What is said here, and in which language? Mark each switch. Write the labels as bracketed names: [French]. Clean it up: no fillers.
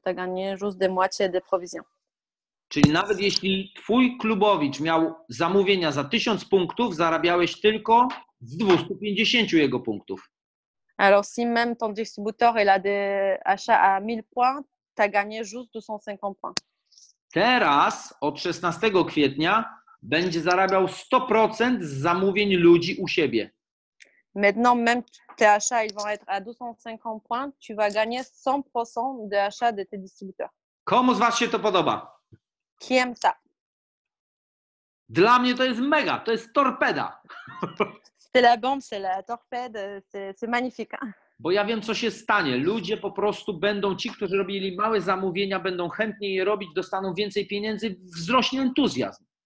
[French] T'as gagné juste de moitié des provisions. [Polish] Czyli nawet jeśli twój klubowicz miał zamówienia za 1000 punktów, zarabiałeś tylko z 250 jego punktów. [French] Alors si même ton distributeur il a des achats à 1000 points, t'as gagné juste 250 points. [Polish] Teraz od 16 kwietnia będzie zarabiał 100% z zamówień ludzi u siebie. [French] Maintenant même tes achats ils vont être à 250 points, tu vas gagner 100% de achats de tes distributeurs. [Polish] Komu z was się to podoba? [French] Kiem ça. [Polish] Dla mnie to jest mega, to jest torpeda. [French] C'est la bombe, c'est la torpede, c'est magnifique. [Polish] Bo ja wiem, co się stanie. Ludzie po prostu będą, ci, którzy robili małe zamówienia, będą chętniej je robić, dostaną więcej pieniędzy, wzrośnie entuzjazm.